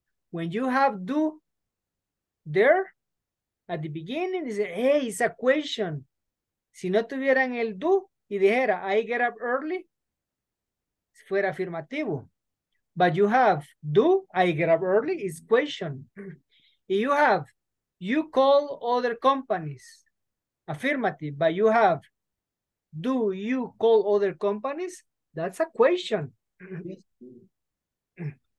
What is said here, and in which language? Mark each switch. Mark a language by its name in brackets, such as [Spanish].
[English] When you have do there at the beginning, you say, hey, it's a question. [Spanish] Si no tuvieran el do y dijera, [English] I get up early, [Spanish] fuera afirmativo. [English] But you have do, I get up early, it's question. And you have, you call other companies, affirmative, but you have, do you call other companies? That's a question. Yes.